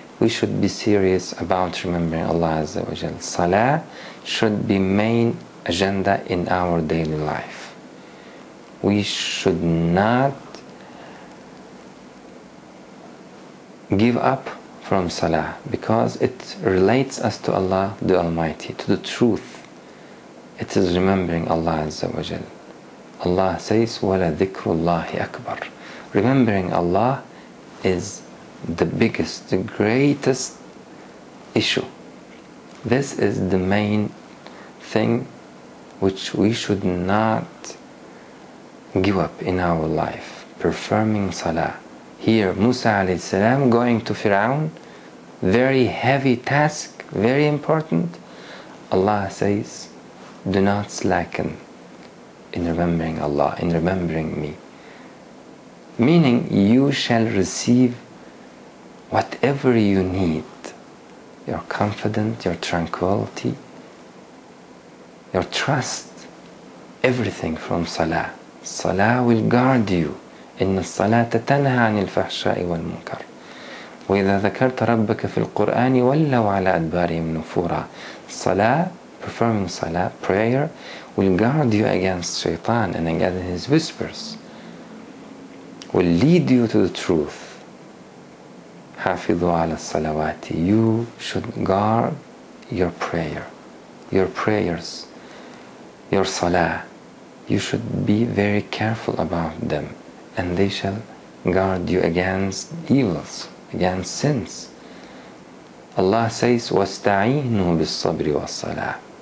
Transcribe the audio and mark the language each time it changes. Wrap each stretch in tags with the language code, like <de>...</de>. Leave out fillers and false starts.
<en>We should be serious about remembering Allah Azza wa Jal. Salah should be main agenda in our daily life. We should not give up from salah, because it relates us to Allah the Almighty, to the truth. It is remembering Allah Azza wa Jal. Allah says,</en> <ar>وَلَا ذِكْرُ اللَّهِ أَكْبَرُ.</ar> <en>Remembering Allah is the biggest, the greatest issue. This is the main thing which we should not give up in our life, performing salah. Here, Musa alayhi salam going to Fir'aun, very heavy task, very important. Allah says, do not slacken in remembering Allah, in remembering me. Meaning, you shall receive whatever you need, your confidence, your tranquility, your trust, everything from salah. Salah will guard you.</en> <ar>إن الصلاة تنهى عن الفحشاء والمنكر. وإذا ذكرت ربك في القرآن ولوا على أدبارهم نفورا.</ar> <en>Salah, performing salah, prayer, will guard you against shaitan and against his whispers. Will lead you to the truth.</en> <ar>حافظوا على الصلوات.</ar> <en>You should guard your prayer, your prayers, your salah. You should be very careful about them, and they shall guard you against evils, against sins. Allah says,</en> <ar>وَاسْتَعِينُوا بِالصَّبْرِ وَالصَّلَاةِ.</ar>